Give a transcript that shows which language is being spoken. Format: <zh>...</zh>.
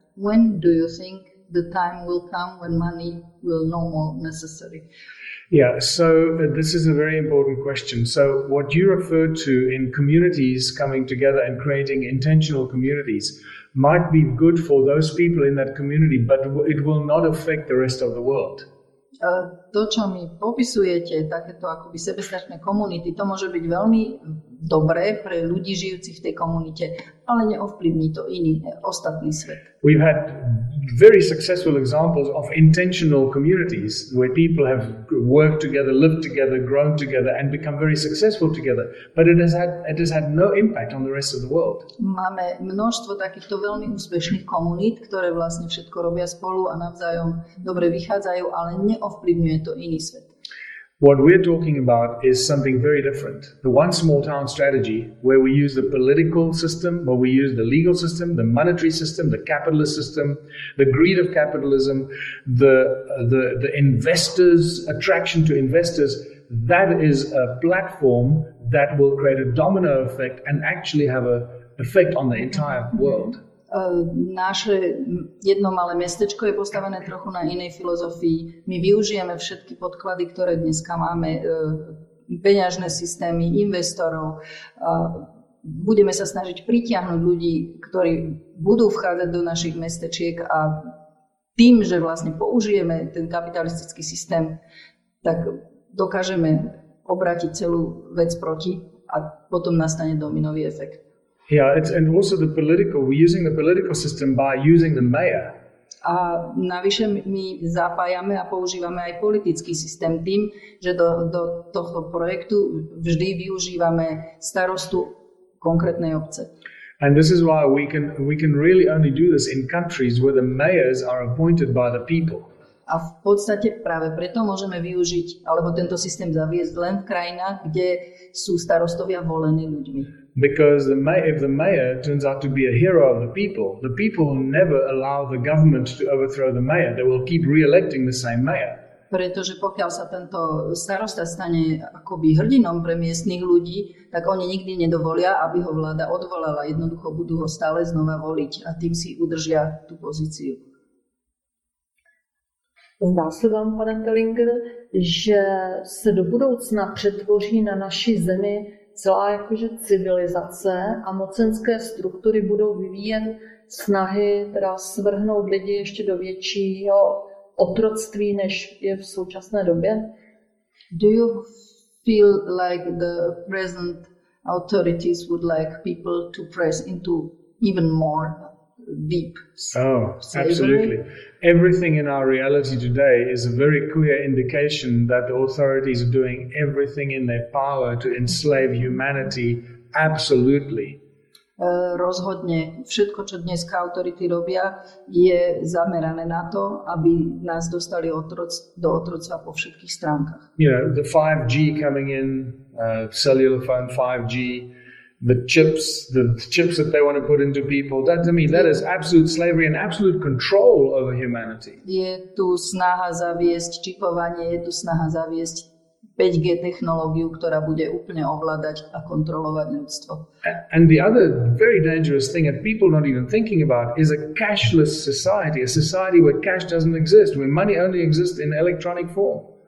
<en>When do you think the time will come when money will no more necessary? Yeah, so this is a very important question. So what you referred to in communities coming together and creating intentional communities might be good for those people in that community, but it will not affect the rest of the world.</en> <sk>To, čo mi popisujete, takéto akoby sebestačné komunity, to môže byť veľmi dobré pre ľudí žijúcich v tej komunite, ale neovplyvní to iný, ostatný svet.</sk> <en>We've had very successful examples of intentional communities where people have worked together, lived together, grown together and become very successful together, but it has had no impact on the rest of the world.</en> <sk>Máme množstvo takýchto veľmi úspešných komunít, ktoré vlastne všetko robia spolu a navzájom dobre vychádzajú, ale neovplyvňuje to iný svet.</sk> <en>What we're talking about is something very different. The one small town strategy, where we use the political system, where we use the legal system, the monetary system, the capitalist system, the greed of capitalism, the investors, attraction to investors, that is a platform that will create a domino effect and actually have an effect on the entire world.</en> <sk>Naše jedno malé mestečko je postavené trochu na inej filozofii. My využijeme všetky podklady, ktoré dneska máme, peňažné systémy, investorov. Budeme sa snažiť pritiahnuť ľudí, ktorí budú vchádzať do našich mestečiek a tým, že vlastne použijeme ten kapitalistický systém, tak dokážeme obrátiť celú vec proti a potom nastane dominový efekt.</sk> <en>Yeah, and also the political, we're using the political system by using the mayor.</en> <sk>A navyše my zapájame a používame aj politický systém tým, že do tohto projektu vždy využívame starostu konkrétnej obce.</sk> <en>And this is why we can really only do this in countries where the mayors are appointed by the people.</en> <sk>A v podstate práve preto môžeme využiť, alebo tento systém zaviesť len v krajinách, kde sú starostovia volení ľuďmi.</sk> <en>Because if the mayor turns out to be a hero of the people will never allow the government to overthrow the mayor. They will keep re-electing the same mayor.</en> <sk>Pretože pokiaľ sa tento starosta stane akoby hrdinom pre miestnych ľudí, tak oni nikdy nedovolia, aby ho vláda odvolala. Jednoducho budú ho stále znova voliť a tým si udržia tú pozíciu.</sk> <cs>Zdá se vám, pane Tellinger, že se do budoucna přetvoří na naší zemi celá jakože civilizace a mocenské struktury budou vyvíjen snahy teda svrhnout lidi ještě do většího otroctví, než je v současné době?</cs> <en>Do you feel like the present authorities would like people to press into even more deep slavery? Oh, absolutely. Everything in our reality today is a very clear indication that the authorities are doing everything in their power to enslave humanity absolutely.</en> <sk>Rozhodne všetko, čo dneska autority robia, je zamerané na to, aby nás dostali do otroctva po všetkých stránkach.</sk> <en>You know, the 5G coming in, cellular phone 5G, the chips that they want to put into people, that is absolute slavery and absolute control over humanity.</en> <sk>Je tu snaha zaviesť čipovanie, je tu snaha zaviesť 5G technológiu, ktorá bude úplne ovládať a kontrolovať ľudstvo.</sk> <en>And the other very dangerous thing that people not even thinking about is a cashless society, a society where cash doesn't exist, where money only exists in electronic form.</en>